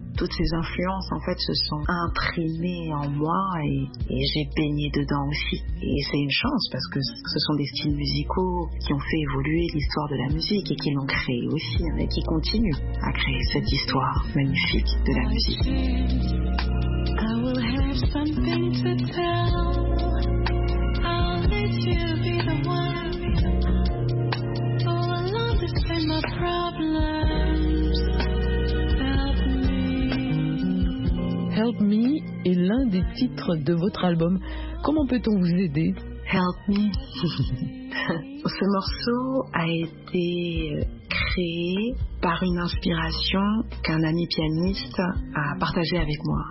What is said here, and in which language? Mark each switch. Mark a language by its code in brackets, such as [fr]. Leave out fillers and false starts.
[fr] Toutes ces influences, en fait, se sont imprimées en moi et j'ai baigné dedans aussi. Et c'est une chance parce que ce sont des styles musicaux qui ont fait évoluer l'histoire de la musique et qui l'ont créée aussi, hein, et qui continuent à créer cette histoire magnifique de la musique. [en] I will have something to tell. I'll let you be the one. Oh, I love to say my problems. [fr] Help Me est l'un des titres de votre album. Comment peut-on vous aider ? [en] Help Me. [fr] Ce morceau a été créé par une inspiration qu'un ami pianiste a partagée avec moi.